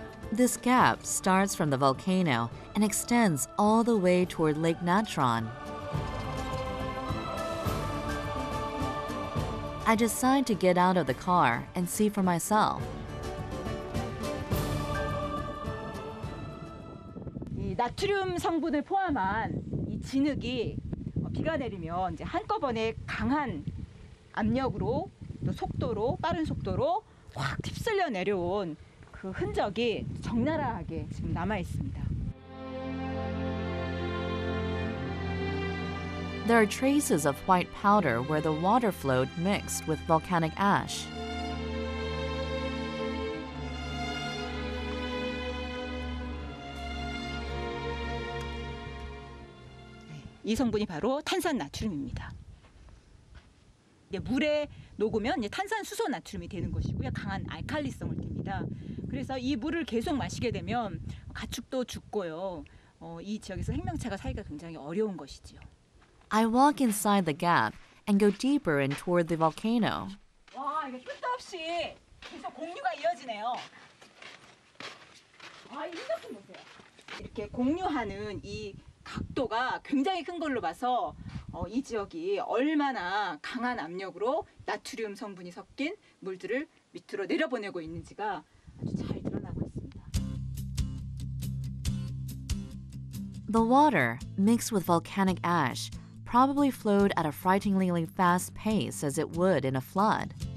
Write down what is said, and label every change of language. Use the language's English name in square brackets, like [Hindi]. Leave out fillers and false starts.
[English] This gap starts from the volcano and extends all the way toward Lake Natron. I decide to get out of the car and see for myself. [Korean] 이 나트륨 성분을 포함한 이 진흙이 비가 내리면 이제 한꺼번에 강한 압력으로 또 속도로 빠른 속도로 확 휩쓸려 내려온 그 흔적이 적나라하게 지금 남아 있습니다. [English] There are traces of white powder where the water flowed mixed with volcanic ash. [Korean] Yeah, 이 성분이 바로 탄산 나트륨입니다. 물에 녹으면 탄산 수소 나트륨이 되는 것이고요. 강한 알칼리성을 띱니다. 그래서 이 물을 계속 마시게 되면 가축도 죽고요. 이 지역에서 생명체가 살기가 굉장히 어려운 것이지요. [English] I walk inside the gap and go deeper in toward the volcano. [Korean] 와, 이게 끝도 없이 계속 공류가 이어지네요. 와, 이 흔적 좀 보세요. 이렇게 공류하는 이 각도가 굉장히 큰 걸로 봐서 이 지역이 얼마나 강한 압력으로 나트륨 성분이 섞인 물들을 밑으로 내려보내고 있는지가 아주 잘 드러나고 있습니다. [English] The water, mixed with volcanic ash, probably flowed at a frighteningly fast pace as it would in a flood.